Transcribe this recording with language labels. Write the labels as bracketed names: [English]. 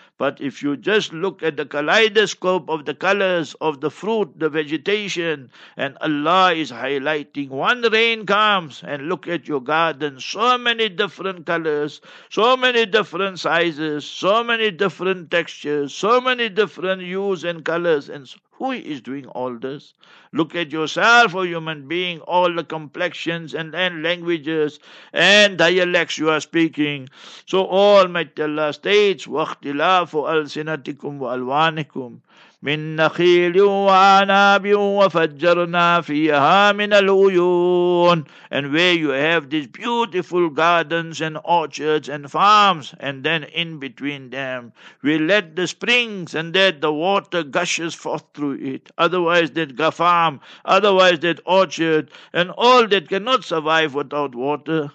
[English] But if you just look at the kaleidoscope of the colors of the fruit, the vegetation, and Allah is highlighting, one rain comes and look at your garden, so many different colors, so many different sizes, so many different textures, so many different hues and colors, and so Who is doing all this? Look at yourself, O human being, all the complexions and languages and dialects you are speaking. So Almighty Allah states, [Arabic] وَاخْتِلَافُ أَلْسِنَتِكُمْ وَأَلْوَانِكُمْ مِنْ نَخِيلٍ وَعَنَابٍ وَفَجَّرْنَا فِيهَا مِنَ الْعُيُونِ. [English] And where you have these beautiful gardens and orchards and farms, and then in between them, we let the springs and that the water gushes forth through it. Otherwise that farm, otherwise that orchard, and all that cannot survive without water.